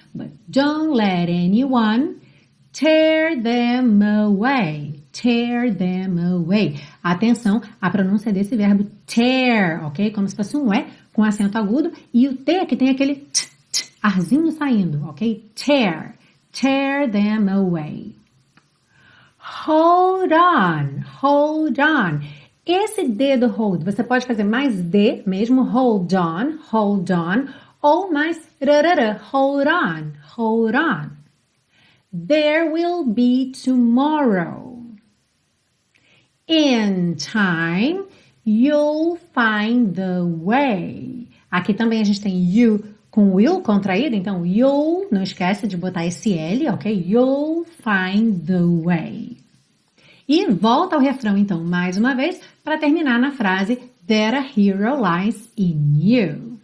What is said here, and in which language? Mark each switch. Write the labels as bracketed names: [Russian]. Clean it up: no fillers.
[English] But don't let anyone tear them away. Tear them away. [Portuguese] Atenção à pronúncia desse verbo tear, ok? Como se fosse um E com acento agudo. E o T que tem aquele t, t, arzinho saindo, ok? Tear. [English] Tear them away. Hold on, hold on. [Portuguese] Esse D do hold, você pode fazer mais D mesmo, [English] hold on, hold on, [Portuguese] ou mais rarara, hold on, hold on. [English] There will be tomorrow. In time, you'll find the way. [Portuguese] Aqui também a gente tem you com will contraído, então you'll, não esquece de botar esse L, ok? [English] You'll find the way. [Portuguese] E volta ao refrão, então, mais uma vez, para terminar na frase [English] There a hero lies in you.